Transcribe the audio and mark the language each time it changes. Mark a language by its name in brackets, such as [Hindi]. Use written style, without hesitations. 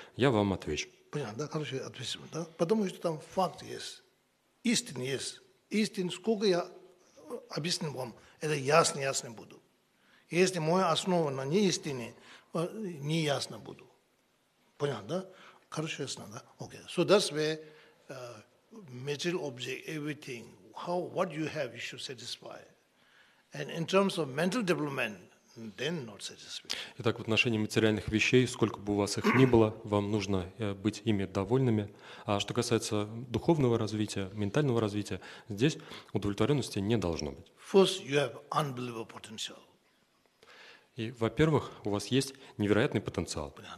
[Russian] Я вам отвечу. Понятно, да? Короче, ответим, да? Потому что там факт есть. Истина есть. Истина, сколько я объясню вам, это ясно буду. Если моя основа на неистине, не ясно буду. Понятно, да? Короче, ясно, да? Okay. [English] So that's where material object, everything, how what you have you should satisfy, and in terms of mental development, then not satisfy. [Russian] Итак, в отношении материальных вещей, сколько бы у вас их ни было, вам нужно быть ими довольными. А что касается духовного развития, ментального развития, здесь удовлетворенности не должно быть. [English] First, you have unbelievable potential. [Russian] И, во-первых, у вас есть невероятный потенциал.